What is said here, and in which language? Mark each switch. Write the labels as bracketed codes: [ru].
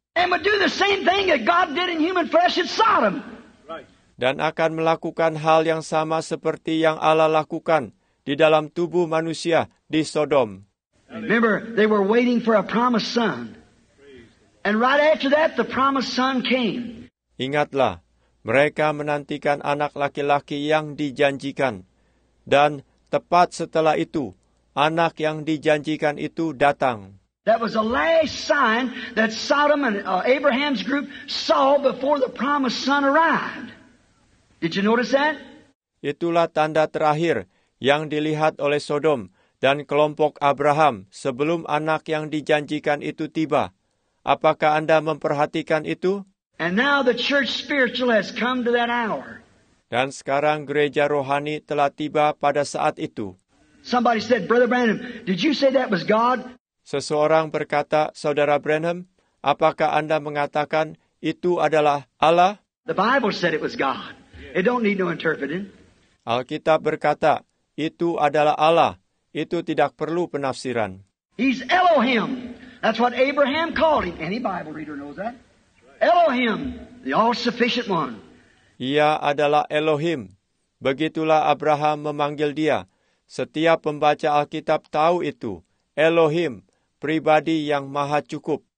[en] And would do the same thing that God did in human flesh at Sodom. [id] Dan akan melakukan hal yang sama seperti yang Allah lakukan di dalam tubuh manusia di Sodom. [en] Remember, they were waiting for a promised son. And right after that, the promised son came. [id] Ingatlah, mereka menantikan anak laki-laki yang dijanjikan. Dan tepat setelah itu, anak yang dijanjikan itu datang. [en] That was the last sign that Sodom and Abraham's group saw before the promised son arrived. Did you notice that? [id] Itulah tanda terakhir yang dilihat oleh Sodom dan kelompok Abraham sebelum anak yang dijanjikan itu tiba. Apakah Anda memperhatikan itu? [en] And now the church spiritual has come to that hour. [id] Dan sekarang gereja rohani telah tiba pada saat itu. [en] Somebody said, Brother Branham, did you say that was God? [id] Seseorang berkata, Saudara Branham, apakah Anda mengatakan itu adalah Allah? [en] The Bible said it was God. It don't need no interpreting. [id] Alkitab berkata, itu adalah Allah. Itu tidak perlu penafsiran. [en] He's Elohim. That's what Abraham called him. Any Bible reader knows that. Elohim, the all-sufficient one. [id] Ia adalah Elohim. Begitulah Abraham memanggil dia. Setiap pembaca Alkitab tahu itu. Elohim, pribadi yang maha cukup.